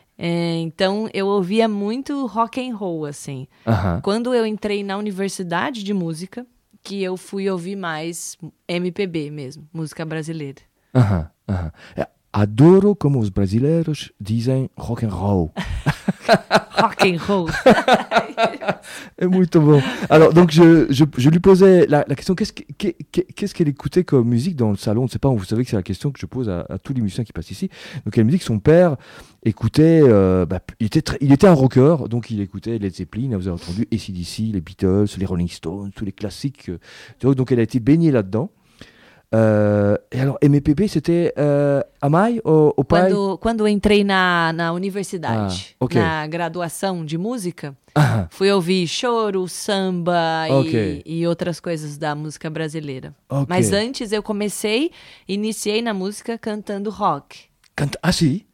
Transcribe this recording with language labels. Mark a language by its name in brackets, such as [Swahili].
[Portuguese] Então, eu ouvia muito rock and roll, assim. Uh-huh. Quando eu entrei na universidade de música, que eu fui ouvir mais MPB mesmo, música brasileira. Uh-huh. Adoro como os brasileiros dizem rock and roll. Rock and roll. É muito bom. [French] Alors, donc, je lui posais la question, qu'est-ce qu'elle écoutait comme musique dans le salon? Je sais pas, vous savez que c'est la question que je pose à tous les musiciens qui passent ici. Donc, quelle musique son père écoutait? Il était un rocker, donc il écoutait Led Zeppelin, vous avez entendu, AC/DC, les Beatles, les Rolling Stones, tous les classiques. Donc, elle a été baignée là-dedans. Et alors, MPB, c'était à Mai ou pas? Quand j'ai entré [Portuguese] na universidade, na graduação de música, fui ouvir choro, samba e outras coisas da música brasileira. [English] Okay. [Portuguese] Mas antes, eu iniciei na música cantando rock. Sim.